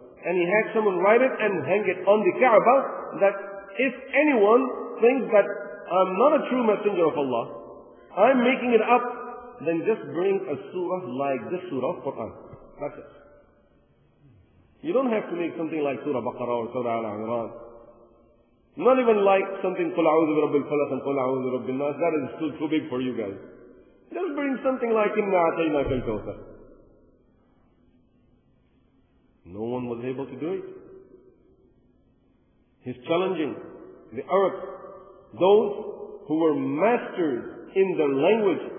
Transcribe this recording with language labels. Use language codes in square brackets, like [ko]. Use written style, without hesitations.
[en] And he had someone write it and hang it on the Kaaba, that if anyone thinks that I'm not a true messenger of Allah, I'm making it up, then just bring a surah like this surah of Quran. That's it. You don't have to make something like Surah Baqarah or Surah Al-Imran. Not even like something [ar] قُلْ أَعُوذُ بِرَبِّ الْفَلَقِ قُلْ أَعُوذُ بِرَبِّ النَّاسِ. [en] That is still too big for you guys. Just bring something like [ar] إِنَّا عَتَيْنَاكَ الْكَوْثَرَ. [en] No one was able to do it. He's challenging the Arabs, those who were masters in the language.